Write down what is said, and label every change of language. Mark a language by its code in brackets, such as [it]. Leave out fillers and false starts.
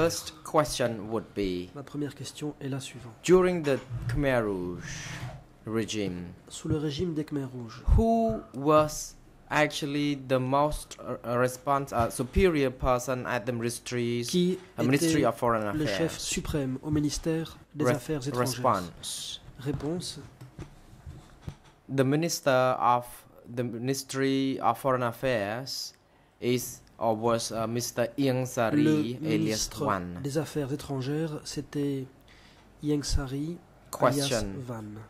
[en] First question would be. [fr] Ma première question est la suivante. [en] During the Khmer Rouge regime. [fr] Sous le régime des Khmer Rouges. [en] Who was actually the most superior person at the ministries, [fr] qui [en] a ministry of foreign affairs. [fr] Le chef suprême au ministère des Affaires étrangères. [en] Response. [fr] Réponse. [en] The minister of the Ministry of Foreign Affairs is or was Mr. Ieng Sary, alias Van. [fr] Des Affaires étrangères, c'était Ieng Sary, [en] Question. [fr] Alias Van.